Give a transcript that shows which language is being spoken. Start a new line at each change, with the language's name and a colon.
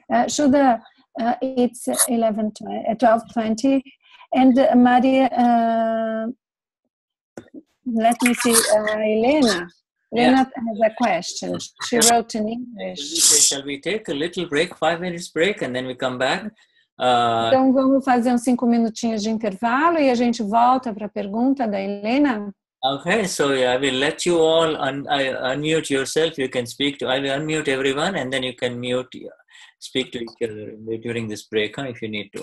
English: Shuddha, it's 12:20, and Maria, let me see, Helena. Helena has a question. She wrote in English. Shall we take a little break, 5 minutes break, and then we come back?
Portuguese: Então vamos fazer uns 5 minutinhos de intervalo e a gente volta para a pergunta da Helena.
English: Okay, so yeah, I will let you all unmute yourself. You can speak to. I will unmute everyone, and then you can mute, speak to each other during this break, huh, if you need to.